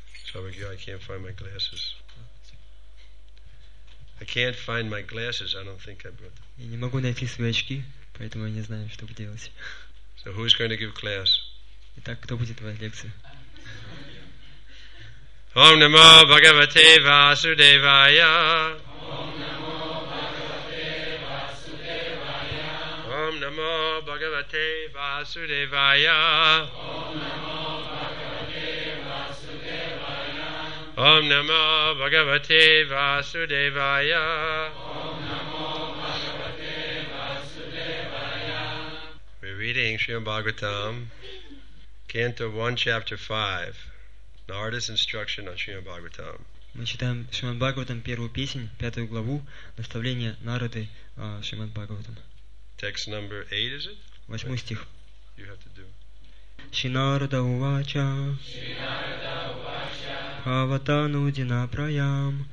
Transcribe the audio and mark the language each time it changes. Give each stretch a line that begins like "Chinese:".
English: Swami, I can't find my glasses. I can't find my glasses. I don't think I brought them.
Russian: Я не могу найти свои очки, поэтому я не знаю, что делать.
English: So who's going to give class?
Russian: Итак, кто будет давать лекцию?
Sanskrit: Ом намо Бхагавате Васудевая. Ом намо Бхагавате Васудевая. Ом намо Бхагавате Васудевая.
English: We're reading Srimad Bhagavatam, Canto 1, Chapter 5. Narada's instruction on Srimad Bhagavatam.
Russian: Мы читаем Шримад Бхагаватам первую песнь, пятую главу, наставление Нарады Шримад Бхагаватам.
English: Text number 8, is it?
Russian: Восьмой стих.
English: You have to do.
Sanskrit: Шинарда увача. Шинарда увача. Бхаватану динапраям.